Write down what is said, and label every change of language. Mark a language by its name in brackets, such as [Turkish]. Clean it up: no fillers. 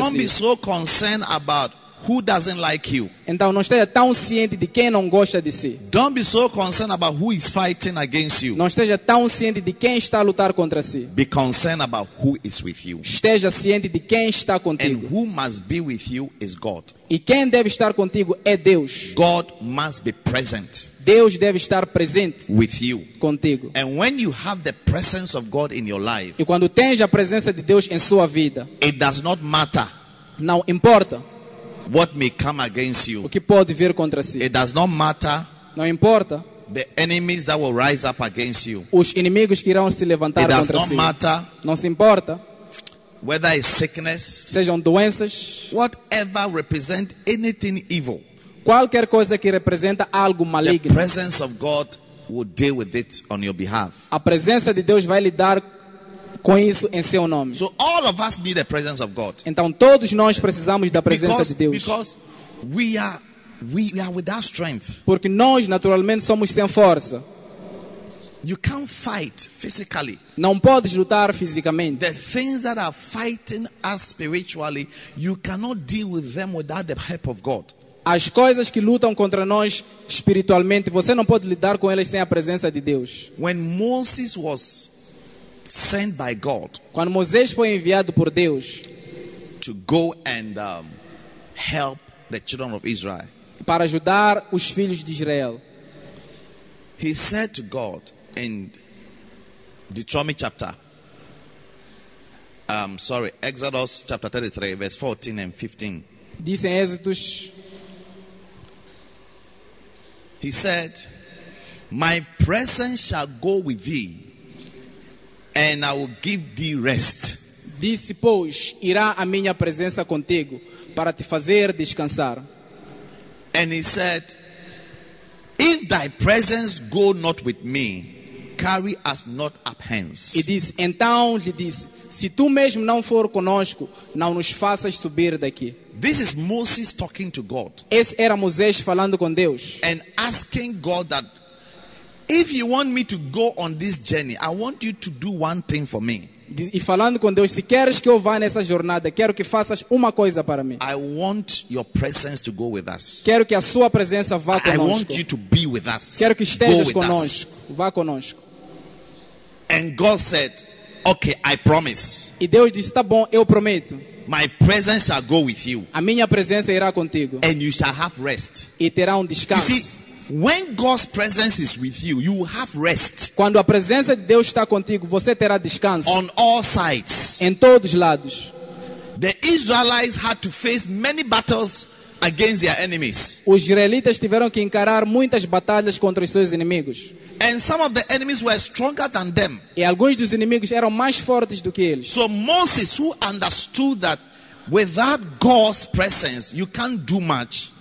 [Portuguese] você. [English] Don't [Portuguese] si. [English] Be so concerned about who doesn't like you. [Portuguese] Então não esteja tão ciente de quem não gosta de si. [English] Don't be so concerned about who is fighting against you. [Portuguese] Não esteja tão ciente de quem está a lutar contra si. [English] Be concerned about who is with you. [Portuguese] Esteja ciente de quem está contigo. [English] And who must be with you is God. [Portuguese] E quem deve estar contigo é Deus. [English] God must be present. [Portuguese] Deus deve estar presente [English] with you. [Portuguese] Contigo. [English] And when you have the presence of God in your life, [Portuguese] e quando tens a presença de Deus em sua vida, [English] it does not matter. [Portuguese] Não importa [English] what may come against you. [Portuguese] O que pode vir contra si. [English] It does not matter. [Portuguese] Não importa. [English] The enemies that will rise up against you. [Portuguese] Os inimigos que irão se levantar contra si. [English] It does not matter. [Portuguese] Não se importa. [English] Whether it's sickness. [Portuguese] Sejam doenças. [English] Whatever represent anything evil. [Portuguese] Qualquer coisa que representa algo maligno. [English] The presence of God will deal with it on your behalf. [Portuguese] A presença de Deus vai lidar com isso em seu nome. [English] So all of us need the presence of God. [Portuguese] Então todos nós precisamos da presença de Deus. [English] Because we are without strength. [Portuguese] Porque nós naturalmente somos sem força. [English] You can't fight physically. [Portuguese] Não podes lutar fisicamente. [English] The things that are fighting us spiritually, you cannot deal with them without the help of God. [Portuguese] As coisas que lutam contra nós espiritualmente, você não pode lidar com elas sem a presença de Deus. [English] When Moses was sent by God, [Portuguese] quando Moisés foi enviado por Deus, [English] to go and help the children of Israel, [Portuguese] para ajudar os filhos de Israel, [English] he said to God in Deuteronomy chapter, Exodus chapter 33, verse 14 and 15. [Portuguese] Diz em Êxodos. [English] He said, my presence shall go with thee, and I will give thee rest. [Portuguese] Disse, pois, irá a minha presença contigo para te fazer descansar. [English] And he said, if thy presence go not with me, carry us not up hence. [Portuguese] E disse, então lhe disse, se tu mesmo não for conosco, não nos faças subir daqui. [English] This is Moses talking to God. [Portuguese] Esse era Moisés falando com Deus. [English] And asking God that, if you want me to go on this journey, I want you to do one thing for me. [Portuguese] E falando com Deus, se queres que eu vá nessa jornada, quero que faças uma coisa para mim. [English] I want your presence to go with us. [Portuguese] Quero que a sua presença vá conosco. [English] I want you to be with us. [Portuguese] Quero que estejas conosco. Vá conosco. [English] And God said, okay, I promise. [Portuguese] E Deus disse, tá bom, eu prometo. [English] My presence shall go with you. [Portuguese] A minha presença irá contigo. [English] And you shall have rest. [Portuguese] E terá descanso. [English] You see, when God's presence is with you, you will have rest. [Portuguese] Quando a presença de Deus está contigo, você terá descanso. [English] On all sides. [Portuguese] Em todos lados. [English] The Israelites had to face many battles against their enemies. [Portuguese] Os israelitas tiveram que encarar muitas batalhas contra os seus inimigos. [English] And some of the enemies were stronger than them. [Portuguese] E alguns dos inimigos eram mais fortes do que eles. [English] So Moses, who understood that without God's presence, you can't do much.